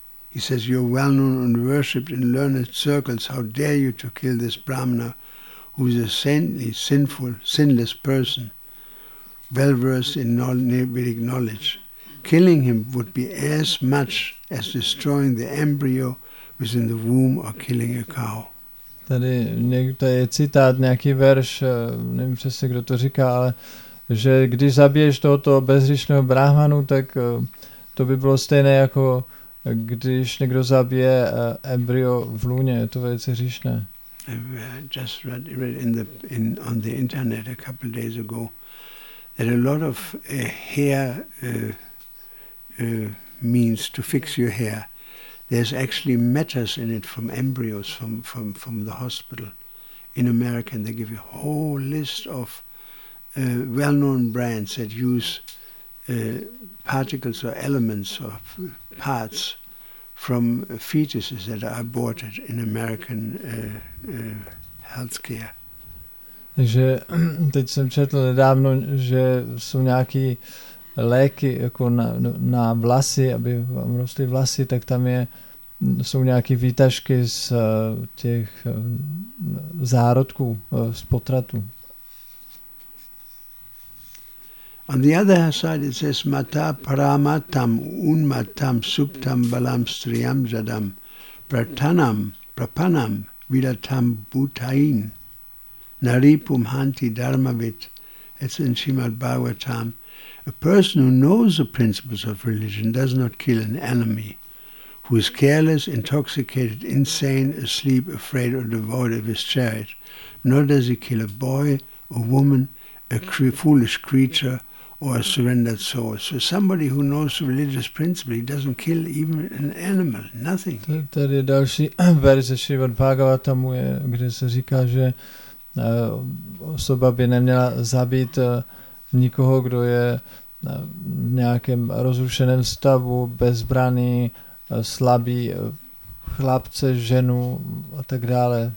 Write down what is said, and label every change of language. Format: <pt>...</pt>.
<en>He says, you're well known and worshipped in learned circles. How dare you to kill this Brahmana, who is a saintly, sinful, sinless person, well versed in Vedic knowledge. Killing him would be as much as destroying the embryo within the womb or killing a cow.</en> <cs>Tady je citát, nějaký verš, nevím přesně, kdo to říká, ale že když zabiješ tohoto bezhříšného brahmanu, tak to by bylo stejné, jako když někdo zabije embryo v lůně. Je to velice hříšné.</cs> <en>I just read on the internet a couple of days ago that a lot of hair means to fix your hair. There's actually matters in it from embryos from the hospital in America, and they give you a whole list of well-known brands that use particles or elements or parts from fetuses that are aborted in American healthcare.</en> <cs>Takže teď jsem četl nedávno, že jsou nějaký léky jako na vlasy, aby vám rostly vlasy, tak tam je jsou nějaké výtažky z těch zárodků, z potratů.</cs> <en>On the other side it says</en> <sa>mata paramatam unmatam subtam balam striyam jadam pratanam prapanam vidatam butain naripum hanti dharmavit.</sa> <en>It's in Srimad Bhagavatam. A person who knows the principles of religion does not kill an enemy who is careless, intoxicated, insane, asleep, afraid, or devoid of his chariot. Nor does he kill a boy, a woman, a foolish creature, or a surrendered soul. So somebody who knows religious principle, he doesn't kill even an animal, nothing.</en> <cs>Tady je další verze Srimad Bhagavatamu, kde se říká, že osoba by neměla zabít nikoho, kdo je v nějakém rozrušeném stavu, bezbraný, slabý, chlapce, ženu a tak dále.</cs>